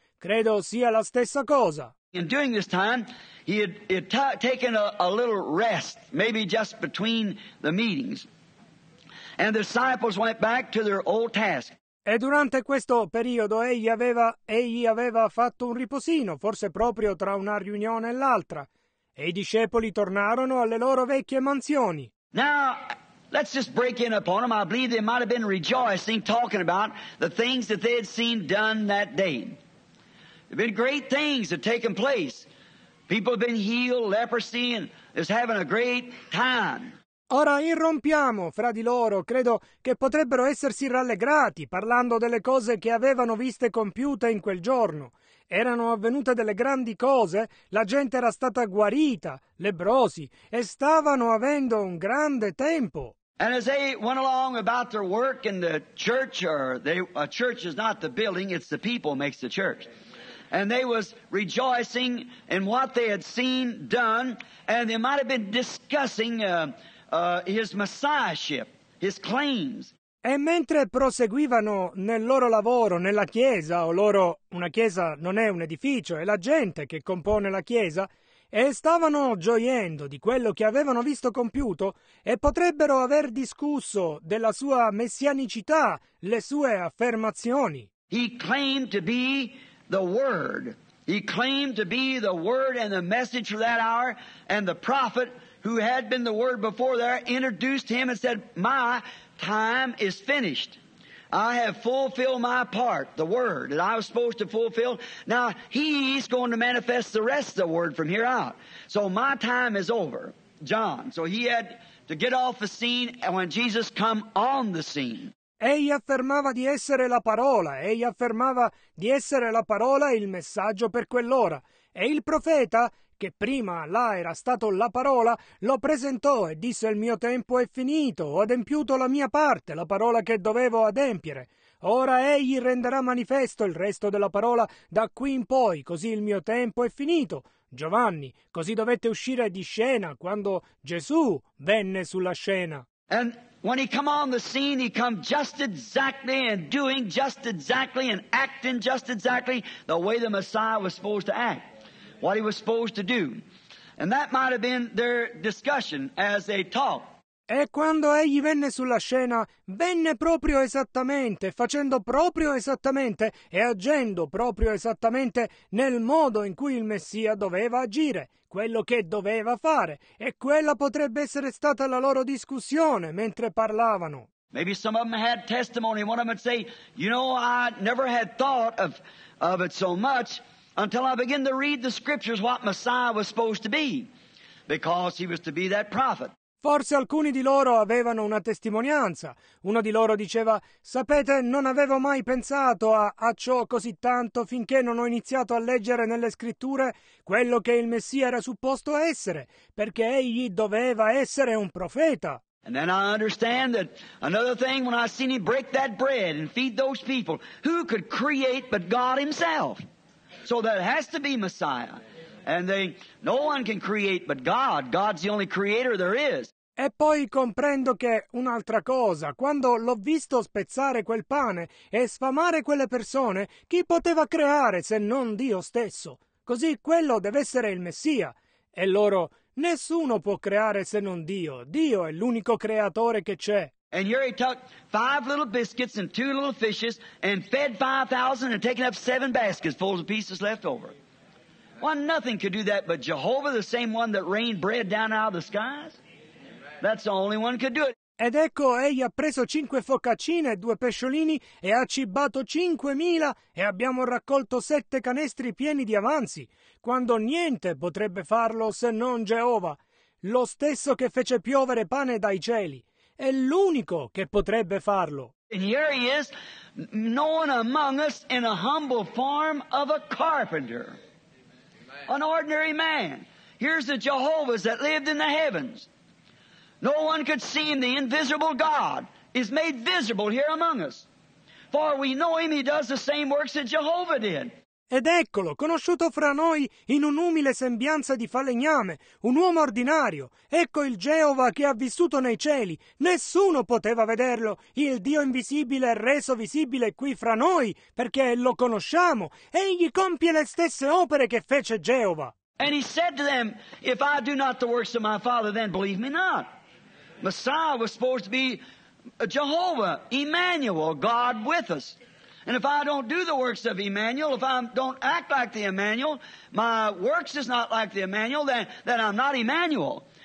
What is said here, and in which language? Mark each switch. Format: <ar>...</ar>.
<it>Credo sia la stessa cosa.</it> <en>In doing this time, he had taken a little rest, maybe just between the meetings. And the disciples went back to their old task.</en> <it>E durante questo periodo egli aveva fatto un riposino, forse proprio tra una riunione e l'altra, e i discepoli tornarono alle loro vecchie mansioni.</it> <en>Now, let's just break in upon them. I believe they might have been rejoicing, talking about the things that they had seen done that day. There've been great things that taken place. People have been healed, leprosy, and is having a great time.</en> <it>Ora irrompiamo fra di loro, credo che potrebbero essersi rallegrati parlando delle cose che avevano viste compiute in quel giorno. Erano avvenute delle grandi cose, la gente era stata guarita, lebbrosi, e stavano avendo un grande tempo.</it> <en>And as they went along about their work in the church, a church is not the building, it's the people makes the church. And they was rejoicing in what they had seen done, and they might have been discussing his messiahship, his claims.</en> <it>E mentre proseguivano nel loro lavoro nella chiesa, o loro, una chiesa non è un edificio, è la gente che compone la chiesa, e stavano gioiendo di quello che avevano visto compiuto, e potrebbero aver discusso della sua messianicità, le sue affermazioni.</it> <en>He claimed to be the Word. He claimed to be the Word and the message for that hour, and the prophet who had been the Word before there introduced him and said, "My time is finished. I have fulfilled my part, the Word that I was supposed to fulfill. Now he's going to manifest the rest of the Word from here out. So my time is over, John." So he had to get off the scene when Jesus come on the scene.</en> <it>Egli affermava di essere la parola, egli affermava di essere la parola e il messaggio per quell'ora. E il profeta, che prima là era stato la parola, lo presentò e disse: "Il mio tempo è finito, ho adempiuto la mia parte, la parola che dovevo adempiere. Ora egli renderà manifesto il resto della parola da qui in poi, così il mio tempo è finito." Giovanni, così dovette uscire di scena quando Gesù venne sulla scena.</it> <en>When he come on the scene, he come just exactly and doing just exactly and acting just exactly the way the Messiah was supposed to act, what he was supposed to do. And that might have been their discussion as they talked.</en> <it>E quando egli venne sulla scena, venne proprio esattamente, facendo proprio esattamente e agendo proprio esattamente nel modo in cui il Messia doveva agire, quello che doveva fare. E quella potrebbe essere stata la loro discussione mentre parlavano.</it> <en>Maybe some of them had testimony. One of them would say, "You know, I never had thought of it so much until I began to read the scriptures what Messiah was supposed to be, because he was to be that prophet."</en> <it>Forse alcuni di loro avevano una testimonianza. Uno di loro diceva: "Sapete, non avevo mai pensato a ciò così tanto finché non ho iniziato a leggere nelle scritture quello che il Messia era supposto essere, perché egli doveva essere un profeta."</it> <en>And then I understand that another thing when I seen him break that bread and feed those people, who could create but God himself? So there has to be Messiah. And they, no one can create but God. God's the only creator there is.</en> <it>E poi comprendo che un'altra cosa, quando l'ho visto spezzare quel pane e sfamare quelle persone, chi poteva creare se non Dio stesso? Così quello deve essere il Messia. E loro, nessuno può creare se non Dio. Dio è l'unico creatore che c'è.</it> <en>And here he took five little biscuits and two little fishes and fed 5,000 and taken up seven baskets full of pieces left over. Well, nothing could do that but Jehovah, the same one that rained bread down out of the skies. That's the only one could do it.</en> <it>Ed ecco, egli ha preso cinque focaccine e due pesciolini e ha cibato 5,000 e abbiamo raccolto sette canestri pieni di avanzi, quando niente potrebbe farlo se non Geova, lo stesso che fece piovere pane dai cieli. È l'unico che potrebbe farlo.</it> <en>And here he is, known among us in a humble form of a carpenter. An ordinary man. Here's the Jehovah's that lived in the heavens. No one could see him. The invisible God is made visible here among us. For we know him, he does the same works that Jehovah did.</en> <it>Ed eccolo, conosciuto fra noi in un'umile sembianza di falegname, un uomo ordinario. Ecco il Geova che ha vissuto nei cieli. Nessuno poteva vederlo. Il Dio invisibile è reso visibile qui fra noi, perché lo conosciamo. Egli compie le stesse opere che fece Geova.</it> <en>And he said to them, "If I do not the works of my Father, then believe me not." Messiah was supposed to be Jehovah, Emmanuel, God with us. And if I don't do the works of Emmanuel, if I don't act like the Emmanuel, my works is not like the Emmanuel, then I'm not Emmanuel.</en>